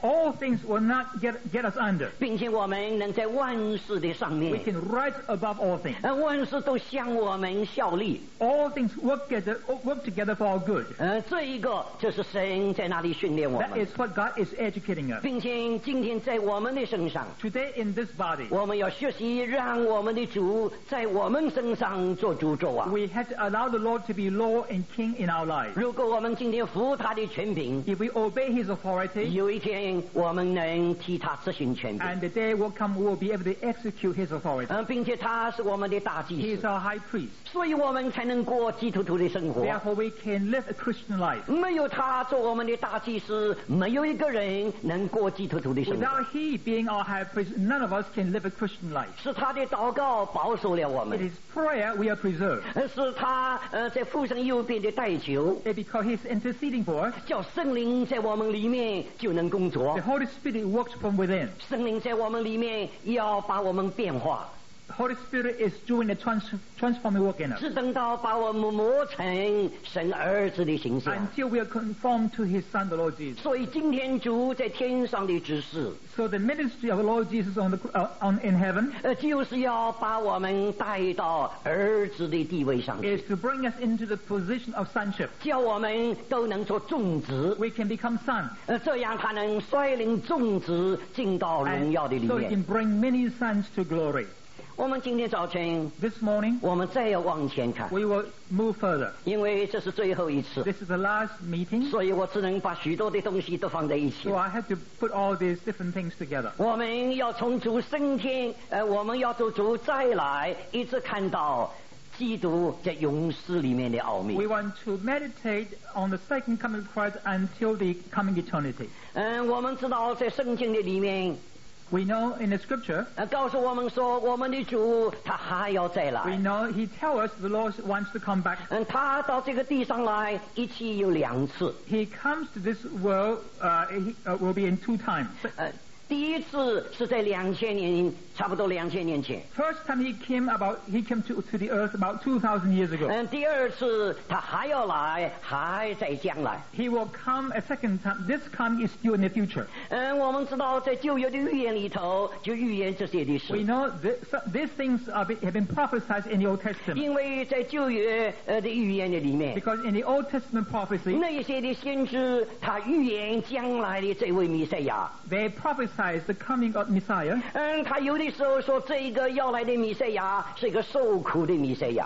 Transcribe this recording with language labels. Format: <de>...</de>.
<en>all things will not get us under</en> <zh>并且我们能在万事的上面</zh> <en>we can rise above all things</en> <zh>万事都向我们效力</zh> <en>all things work together for our good</en> <zh>这一个就是神在那里训练我们</zh> <en>that is what God is educating us</en> <zh>并且今天在我们的身上</zh> <en>today in this body</en> <zh>我们要学习让我们的主在我们身上做主做王</zh> <en>we have to allow the Lord to be Lord and King in our lives</en> <zh>如果我们今天服他的权柄</zh> <en>If we obey his authority</en> <zh>有一天我们能替他执行权柄</zh> <en>And the day will come we will be able to execute his authority</en> <zh>并且他是我们的大祭司</zh> <en>He is our high priest</en> <zh>所以我们才能过基督徒的生活</zh> <en>Therefore we can live a Christian life</en> <zh>没有他做我们的大祭司没有一个人能过基督徒的生活</zh> <en>Without he being our high priest none of us can live a Christian life</en> <zh>是他的祷告保守了我们</zh> <en>It is prayer we are preserved</en> <zh>是他在父神右边的代求</zh> <en>Because he's interceding for us,</en> <zh>叫圣灵在我们里面就能工作。</zh> <en>The Holy Spirit works from within.</en> <zh>圣灵在我们里面要把我们变化。</zh> <en>The Holy Spirit is doing a transforming work in us.</en> <zh>只等到把我们磨成神儿子的形象。</zh> <en>Until we are conformed to His Son, the Lord Jesus.</en> <zh>所以今天主在天上的指示。</zh> <en>So the ministry of the Lord Jesus in heaven.</en> <zh>就是要把我们带到儿子的地位上去。</zh> <en>Is to bring us into the position of sonship.</en> <zh>叫我们都能做众子。</zh> <en>We can become sons.</en> <zh>这样他能率领众子进到荣耀的里面。</zh> <en>So he can bring many sons to glory.</en> <zh>我们今天早晨</zh> <en>This morning,</en> <zh>我们再要往前看</zh> <en>we will move further.</en> <zh>因为这是最后一次</zh> <en>This is the last meeting.</en> <zh>所以我只能把许多的东西都放在一起</zh> <en>so I have to put all these different things together.</en> <zh>我们要从主升天我们要从主再来一直看到基督在勇士里面的奥秘</zh> <en>We want to meditate on the second coming of Christ until the coming eternity.</en> <zh>我们知道在圣经的里面</zh> <en>We know in the scripture,</en> <zh>告诉我们说我们的主他还要再来。</zh> <en>We know he tells us the Lord wants to come back.</en> <zh>他到这个地上来一期有两次。</zh> <en>He comes to this world, will be in two times.</en> <zh>第一次是在两千年，差不多两千年前。</zh> <en>First time he came to the earth about 2,000 years ago.</en> <zh>第二次他还要来，还在将来。</zh> <en>He will come a second time. This time is still in the future.</en> <zh>我们知道在旧约的预言里头就预言这些的事。</zh> <en>We know these things have been prophesied in the Old Testament.</en> <zh>因为在旧约的预言的里面。</zh> <en>Because in the Old Testament prophecy,</en> <zh>那一些的先知他预言将来的这位弥赛亚。</zh> <en>They prophesied advertise the coming of Messiah.</en> <zh>嗯，他有的时候说这一个要来的弥赛亚是一个受苦的弥赛亚。</zh>